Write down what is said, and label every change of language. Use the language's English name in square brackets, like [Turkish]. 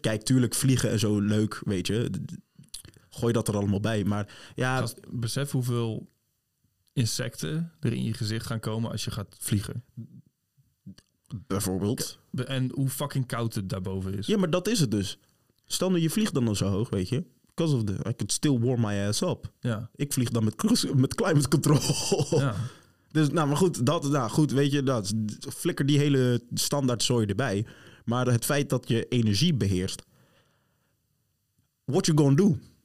[Dutch] Kijk, tuurlijk, vliegen en zo, leuk, weet je. Gooi dat er allemaal bij. Maar ja. Besef hoeveel insecten er in je gezicht gaan komen als je gaat vliegen. Bijvoorbeeld. En hoe fucking koud het daarboven is. Ja, maar dat is het dus. Stel dat je vliegt dan al zo hoog, weet je. [English] Because of the, I could still warm my ass up. [Dutch] Ja. Ik vlieg dan met climate control. Ja. Dus, nou, maar goed, dat, nou, goed, weet je, dat, flikker die hele standaard zooi erbij. Maar het feit dat je energie beheerst, [English] what you gonna do?